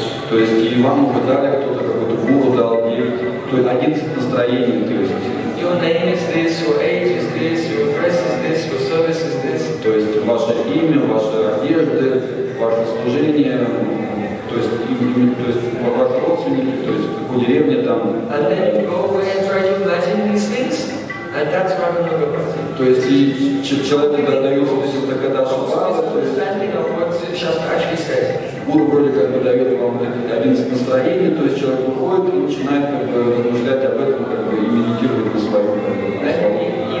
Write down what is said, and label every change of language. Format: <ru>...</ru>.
<ru>то есть и вам уже дали кто-то какой-то гуру дал ей, то есть 11 настроений, то есть.</ru> <en>Your name is this, your age is this, your dress is this, your service is this.</en> <ru>То есть ваше имя, ваши одежды, ваше служение, то есть имя, то есть ваши родственники, то есть какую деревню там.</ru> <en>And then you go away and try to imagine these things. And that's</en> <ru>то есть и человек дает все такое дальше гуру вроде как бы дает вам 11 настроений, то есть человек уходит и начинает как бы размышлять об этом как бы, и медитировать на своем</ru>